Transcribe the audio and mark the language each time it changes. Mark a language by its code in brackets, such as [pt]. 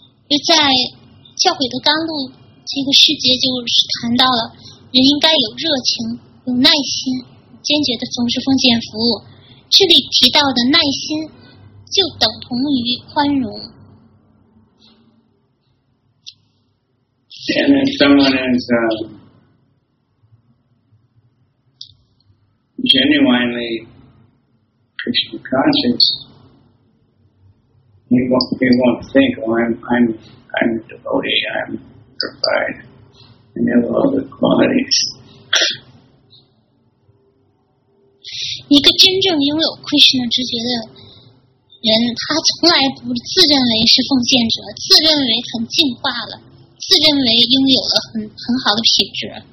[zh] 就在教诲的甘露这个世界，就是谈到了人应该有热情、有耐心、坚决的从事奉献服务。这里提到的耐心，就等同于宽容。 [en] And if someone is genuinely Krishna conscious, he won't think, oh, I'm a devotee, I'm purified, and have all the qualities. [zh] 一个真正拥有 Krishna 直觉的人，他从来不自认为是奉献者，自认为很进化了，自认为拥有了很好的品质。